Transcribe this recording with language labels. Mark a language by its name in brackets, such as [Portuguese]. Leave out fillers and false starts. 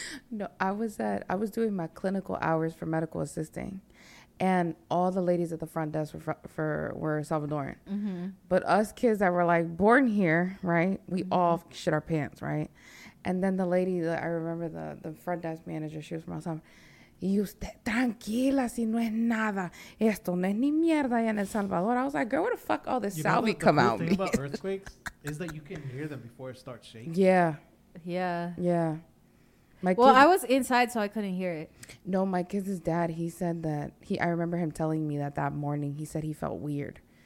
[English] No, I was doing my clinical hours for medical assisting. And all the ladies at the front desk were Salvadoran. Mm-hmm. But us kids that were like born here, right? We all shit our pants, right? And then the lady that I remember, the front desk manager, she was from Salvador. [Spanish] Y usted, tranquila, si no es nada. Esto no es ni mierda allá en El Salvador. [English] I was like, girl, where the fuck all this salvia come out? The thing about earthquakes is that you can hear them before it starts shaking. Yeah. Yeah. Yeah. I was inside, so I couldn't hear it. No, my kid's dad, he said that, I remember him telling me that morning, he said he felt weird.